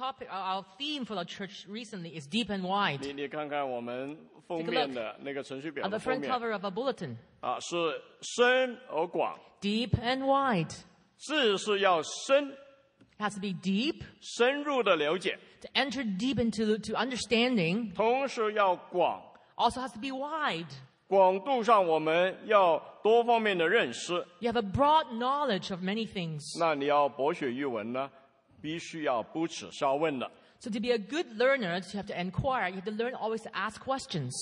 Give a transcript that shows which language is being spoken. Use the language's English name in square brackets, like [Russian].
[English] Our theme for the church recently is deep and wide. [Chinese] 你看看我们封面的那个程序表的封 [English] 面。The front cover of a bulletin. [Chinese] 啊，是深而广。 [English] Deep and wide. [Chinese] 字是要深。 [English] It has to be deep. [Chinese] 深入的了解。 [English] To enter deep into to understanding. [Chinese] 同时要广。 [English] Also has to be wide. [Chinese] 广度上我们要多方面的认识。 [English] You have a broad knowledge of many things. [Chinese] 那你要博学于文呢，必须要不耻下问的。 [English] So to be a good learner, you have to inquire. You have to learn always to ask questions.